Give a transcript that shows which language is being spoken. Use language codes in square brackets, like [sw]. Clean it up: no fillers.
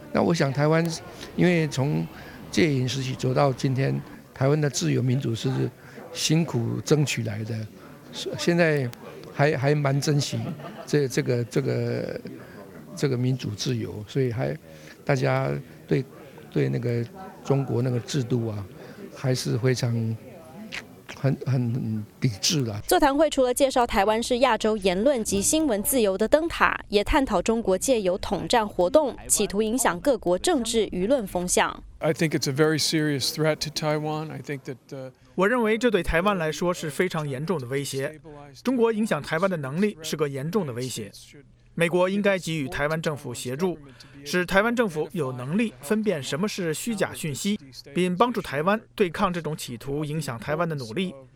[zh] 那我想台湾因为从戒严时期走到今天，台湾的自由民主是辛苦争取来的，现在还蛮珍惜这个民主自由，所以还大家对那个中国那个制度啊，还是非常很抵制的。座谈会除了介绍台湾是亚洲言论及新闻自由的灯塔，也探讨中国借由统战活动企图影响各国政治舆论风向。 [en] I think it's a very serious threat to Taiwan. I think that [zh] 我认为这对台湾来说是非常严重的威胁。中国影响台湾的能力是个严重的威胁。美国应该给予台湾政府协助，使台湾政府有能力分辨什么是虚假讯息，并帮助台湾对抗这种企图影响台湾的努力。